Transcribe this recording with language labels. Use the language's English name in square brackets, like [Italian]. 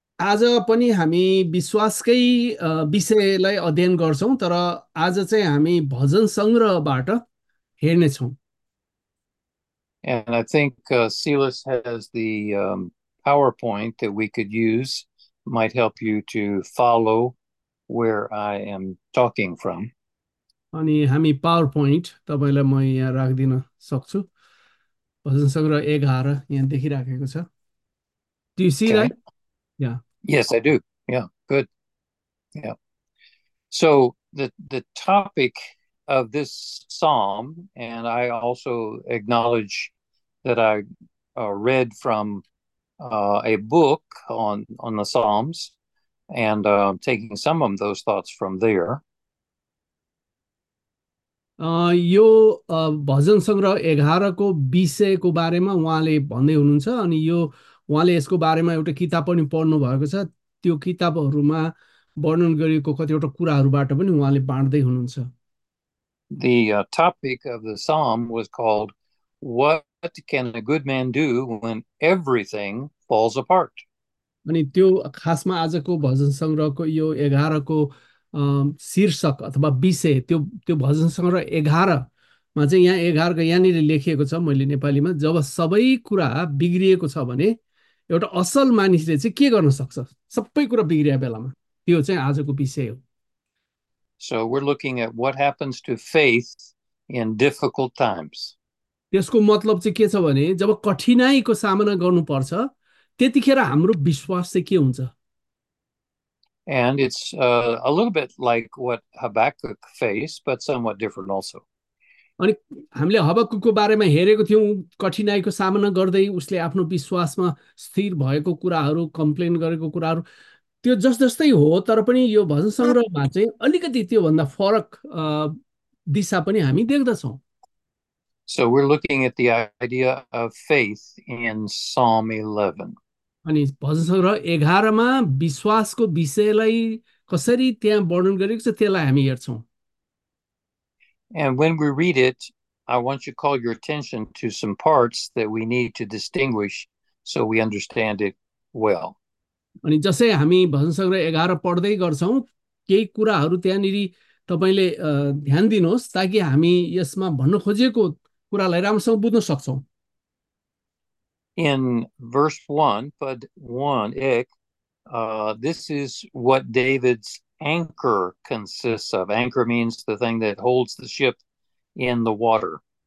[Nepali] आज पनि हामी विश्वासकै विषयलाई अध्ययन गर्छौँ, तर आज चाहिँ हामी भजन सङ्ग्रहबाट हेर्नेछौँ। [English] And I think Silas has the PowerPoint that we could use, might help you to follow where I am talking from. [Nepali] अनि हामी पावर पोइन्ट तपाईँलाई म यहाँ राखिदिन सक्छु। भजन सङ्ग्रह 11 यहाँ देखिराखेको छ। [English] Do you see Okay. that? Yeah. Yes, I do. Yeah, good. Yeah. So the topic of this psalm, and I also acknowledge that I read from a book on the Psalms, and taking some of those thoughts from there. [Nepali] यो भजन सङ्ग्रह 11 को विषयको बारेमा उहाँले भन्दै हुनुहुन्छ, अनि यो उहाँले यसको बारेमा एउटा किताब पनि पढ्नु भएको छ। त्यो किताबहरूमा वर्णन गरिएको कतिवटा कुराहरूबाट पनि उहाँले बाँड्दै हुनुहुन्छ। [English] The topic of the psalm was called, "What Can a Good Man Do When Everything Falls Apart?" [Nepali] अनि त्यो खासमा आजको भजन सङ्ग्रहको यो 11 को शीर्षक अथवा विषय, त्यो त्यो भजन सङ्ग्रह 11 मा चाहिँ यहाँ 11 को यहाँनिर लेखिएको छ, मैले नेपालीमा, जब सबै कुरा बिग्रिएको छ भने एउटा असल मानिसले चाहिँ के गर्न सक्छ सबै कुरा बिग्रिए बेलामा, त्यो चाहिँ आजको विषय हो। [English] So we're looking at what happens to faith in difficult times. [Nepali] त्यसको मतलब चाहिँ के छ भने जब कठिनाइको सामना गर्नुपर्छ त्यतिखेर हाम्रो विश्वास चाहिँ के हुन्छ। [English] And it's a little bit like what Habakkuk faced, but somewhat different also. [Nepali] अनि हामीले हबक्कूको बारेमा हेरेको थियौँ, कठिनाइको सामना गर्दै उसले आफ्नो विश्वासमा स्थिर भएको कुराहरू, कम्प्लेन गरेको कुराहरू, त्यो जस जस्तै हो, तर पनि यो भजन सङ्ग्रहमा चाहिँ अलिकति त्योभन्दा फरक दिशा पनि हामी देख्दछौँ। [English] So we're looking at the idea of faith in Psalm 11. [Nepali] अनि भजन सङ्ग्रह 11 मा विश्वासको विषयलाई कसरी त्यहाँ वर्णन गरेको छ त्यसलाई हामी हेर्छौँ। [English] And when we read it, I want you to call your attention to some parts that we need to distinguish so we understand it well. [Nepali] अनि जसै हामी भजन सङ्ग्रह 11 पढ्दै गर्छौँ केही कुराहरू त्यहाँनिर तपाईँले ध्यान दिनुहोस् ताकि हामी यसमा भन्न खोजिएको कुरालाई राम्रोसँग बुझ्न सक्छौँ। [English] In verse 1, Pud 1, ek, this is what David's anchor consists of. Anchor means the thing that holds the ship in the water.